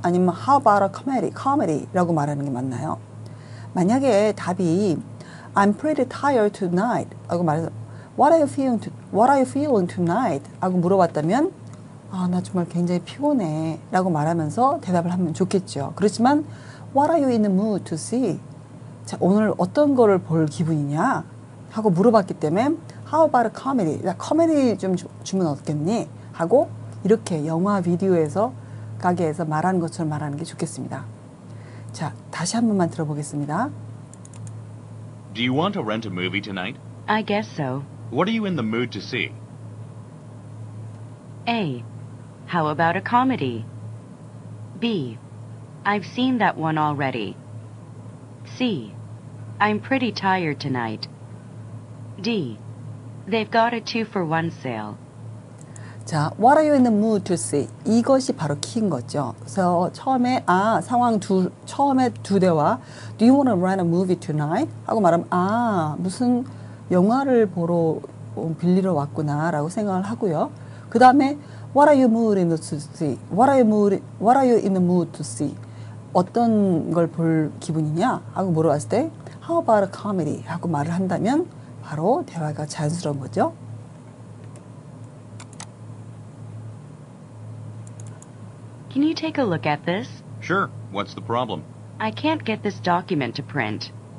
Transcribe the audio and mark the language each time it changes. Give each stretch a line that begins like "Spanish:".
Korean: 아니면
English: How about a comedy? Comedy
Korean: 라고 말하는 게 맞나요? 만약에 답이
English: I'm pretty tired tonight
Korean: 라고 말해서
English: What are you feeling tonight?
Korean: 라고 물어봤다면 아, 나 정말 굉장히 피곤해 라고 말하면서 대답을 하면 좋겠죠. 그렇지만
English: What are you in the mood to see?
Korean: 자, 오늘 어떤 거를 볼 기분이냐? 하고 물어봤기 때문에
English: How about a comedy?
Korean: 야, 코미디 좀 주면 어떻겠니? 하고 이렇게 영화 비디오에서 가게에서 말하는 것처럼 말하는 게 좋겠습니다. 자, 다시 한 번만 들어보겠습니다.
English: Do you want to rent a movie tonight? I guess so. What are you in the mood to see? A. How about a comedy? B. I've seen that one already. C. I'm pretty tired tonight. D. They've got a two-for-one sale. 자, what are you in the mood to see?
Korean: 이것이 바로 키인 거죠. 그래서 처음에 아, 상황 두 처음에 두 대화.
English: Do you want to rent a movie tonight?
Korean: 하고 말하면 아, 무슨 영화를 보러 빌리러 왔구나라고 생각을 하고요. 그다음에
English: what are you in the mood to see?
Korean: 어떤 걸 볼 기분이냐? 하고 물어봤을 때
English: how about a comedy?
Korean: 하고 말을 한다면 바로 대화가 자연스러운 거죠.
English: Do Can you take a look at this? Sure. What's the problem? I can't get this document to print.